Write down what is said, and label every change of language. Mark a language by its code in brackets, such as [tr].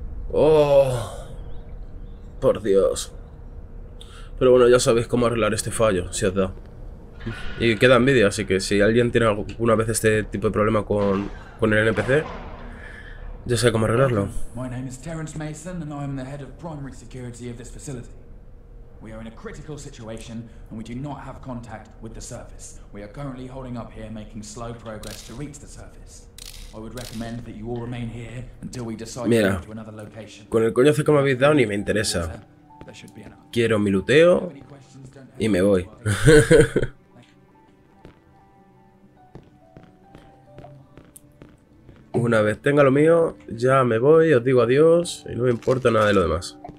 [es] ¡Oh! ¡Por Dios! Pero bueno, ya sabéis cómo arreglar este fallo, si os da. Y queda NVIDIA, así que si alguien tiene alguna vez este tipo de problema con el NPC, ya sé cómo arreglarlo. [en] My name is Terence Mason and I am the head of primary security of this facility. We are in a critical situation and we do not have contact with the surface. We are currently holding up here making slow progress to reach the surface. I would recommend that you all remain here until we decide [es] Mira, [en] to go to another location. [es] Con el coñazo que me habéis dado ni me interesa. Quiero mi luteo y me voy. Una vez tenga lo mío, ya me voy, os digo adiós y no me importa nada de lo demás.